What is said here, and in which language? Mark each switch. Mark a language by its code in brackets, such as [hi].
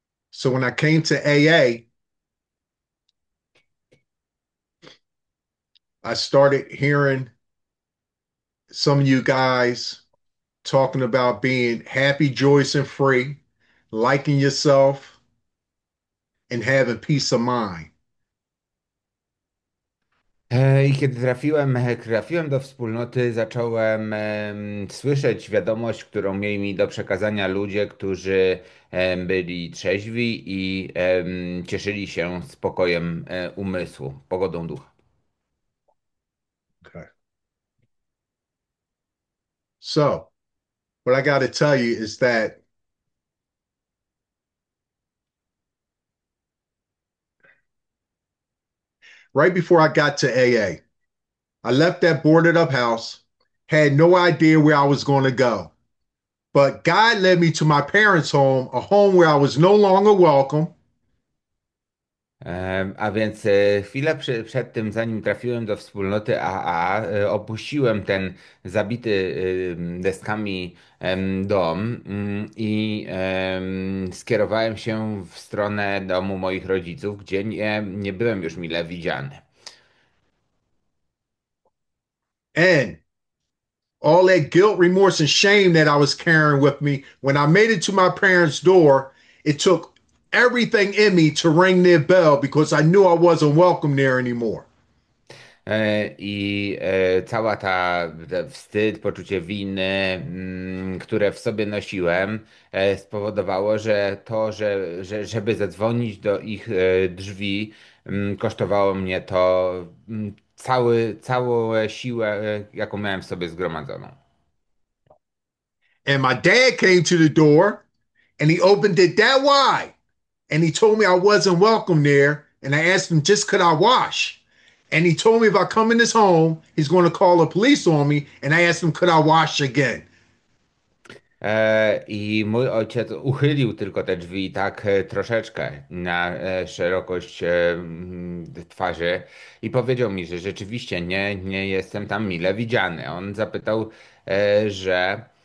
[en] So when I came to AA, I started hearing some of you guys talking about being happy, joyous, and free, liking yourself, and having peace of mind. [pl] I kiedy trafiłem do wspólnoty, zacząłem słyszeć wiadomość, którą mieli mi do przekazania ludzie, którzy byli trzeźwi i cieszyli się spokojem umysłu, pogodą ducha. [en] So, what I got to tell you is that right before I got to AA, I left that boarded up house, had no idea where I was going to go. But God led me to my parents' home, a home where I was no longer welcome. [pl] A więc chwilę przed tym, zanim trafiłem do wspólnoty AA, opuściłem ten zabity deskami dom i skierowałem się w stronę domu moich rodziców, gdzie nie byłem już mile widziany. [en] And all that guilt, remorse, and shame that I was carrying with me when I made it to my parents' door, it took everything in me to ring their bell because I knew I wasn't welcome there anymore. [pl] I cała ta wstyd, poczucie winy, które w sobie nosiłem, spowodowało, że to, żeby zadzwonić do ich drzwi, kosztowało mnie to całą siłę, jaką miałem w sobie zgromadzoną. [en] And my dad came to the door and he opened it that wide. And he told me I wasn't welcome there. And I asked him, just could I wash? And he told me if I come in this home, he's going to call the police on me. And I asked him, could I wash again? [pl] I mój ojciec uchylił tylko te drzwi tak troszeczkę na szerokość twarzy i powiedział mi, że rzeczywiście nie jestem tam mile widziany. On zapytał, że